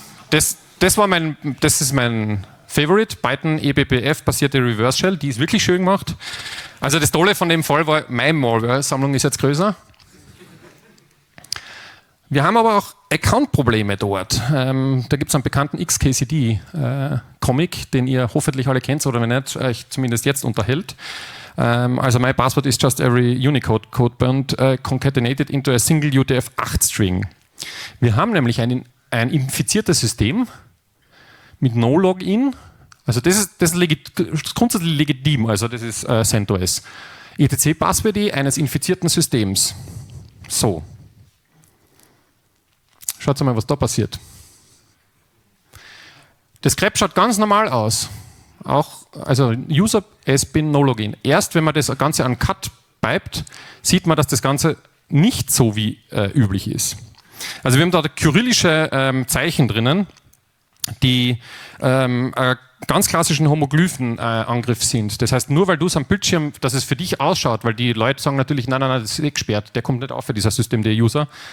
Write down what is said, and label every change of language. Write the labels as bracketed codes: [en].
[de] Das ist mein Favorite, Python EBPF-basierte Reverse Shell, die ist wirklich schön gemacht. Also das Tolle von dem Fall war, meine Malware-Sammlung ist jetzt größer. Wir haben aber auch Account-Probleme dort. Da gibt es einen bekannten XKCD-Comic, den ihr hoffentlich alle kennt oder wenn nicht, euch zumindest jetzt unterhält. [en] Also my password is just every Unicode codeband concatenated into a single UTF-8 string. [de] Wir haben nämlich ein infiziertes System mit No-Login. Also das ist grundsätzlich legitim, also das ist CentOS. etc/passwd eines infizierten Systems. So. Schaut mal, was da passiert. Das Grep schaut ganz normal aus. Auch, also [en] User has been no login. [de] Erst wenn man das Ganze an Cut pipet, sieht man, dass das Ganze nicht so wie üblich ist. Also wir haben da kyrillische Zeichen drinnen, die ganz klassischen Homoglyphen-Angriff sind. Das heißt, nur weil du es am Bildschirm, dass es für dich ausschaut, weil die Leute sagen natürlich, nein, das ist gesperrt, der kommt nicht auf für dieses System, der User.